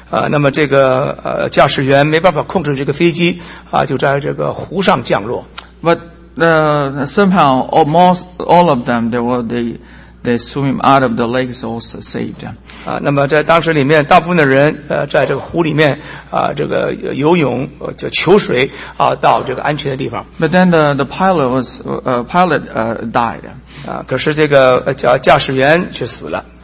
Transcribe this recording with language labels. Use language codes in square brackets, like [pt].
[zh] 那么这个驾驶员没办法控制这个飞机啊，就在这个湖上降落。 [en] But somehow all of them they swim out of the lake is also saved. [zh] 那么在当时里面大部分的人在这个湖里面这个游泳就求水到这个安全的地方。 [en] But then the pilot was died. [zh] 可是这个驾驶员却死了。